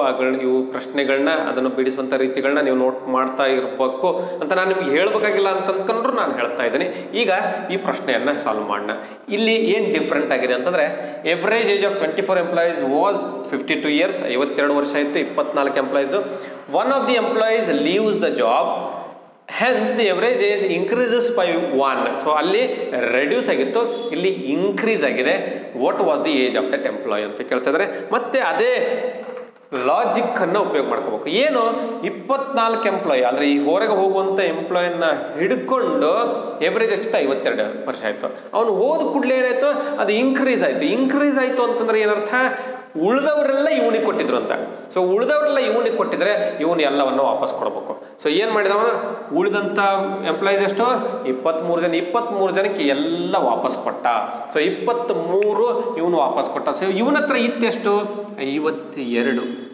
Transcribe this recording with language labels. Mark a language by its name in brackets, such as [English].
[Kannada] ಆಗಲೇ ಇವು ಪ್ರಶ್ನೆಗಳನ್ನ ಅದನ್ನು ಬಿಡಿಸುವಂಥ ರೀತಿಗಳನ್ನ ನೀವು ನೋಟ್ ಮಾಡ್ತಾ ಇರಬೇಕು ಅಂತ ನಾನು ನಿಮ್ಗೆ ಹೇಳಬೇಕಾಗಿಲ್ಲ ಅಂತಂದ್ಕೊಂಡ್ರು ನಾನು ಹೇಳ್ತಾ ಇದ್ದೀನಿ. ಈಗ ಈ ಪ್ರಶ್ನೆಯನ್ನು ಸಾಲ್ವ್ ಮಾಡೋಣ. ಇಲ್ಲಿ ಏನು ಡಿಫ್ರೆಂಟ್ ಆಗಿದೆ ಅಂತಂದರೆ, [English] average age of 24 employees was 52 years, [Kannada] 52 ವರ್ಷ ಇತ್ತು 24 employees. [English] One of the employees leaves the job Hence, the average age increases by 1. So, [Kannada] alli reduce agittu, illi increase agide. [English] What was the age of that employee? [Kannada] Anta kelthidare matte ade logic anna upayog madkobeku. Yeno 24 employee andre ee horega hoguvanta employee na hidkondo average eshtu 52 varsha aitu. Avanu hod kudle enaitu adu increase aitu. Increase aitu antandre en artha ಉಳಿದವರೆಲ್ಲ ಇವನಿಗೆ ಕೊಟ್ಟಿದ್ರು ಅಂತ. So ಉಳಿದವರೆಲ್ಲ ಇವನಿಗೆ ಕೊಟ್ಟಿದ್ರೆ ಇವನು ಎಲ್ಲವನ್ನು ವಾಪಸ್ ಕೊಡ್ಬೇಕು. ಸೊ ಏನು ಮಾಡಿದವನು ಉಳಿದಂಥ ಎಂಪ್ಲಾಯೀಸ್ ಎಷ್ಟು 23 ಜನಕ್ಕೆ ಎಲ್ಲ ವಾಪಸ್ ಕೊಟ್ಟ. ಸೊ 23 ಇವನು ವಾಪಸ್ ಕೊಟ್ಟ. ಸೊ ಇವನ ಹತ್ರ ಇತ್ತೆಷ್ಟು 52.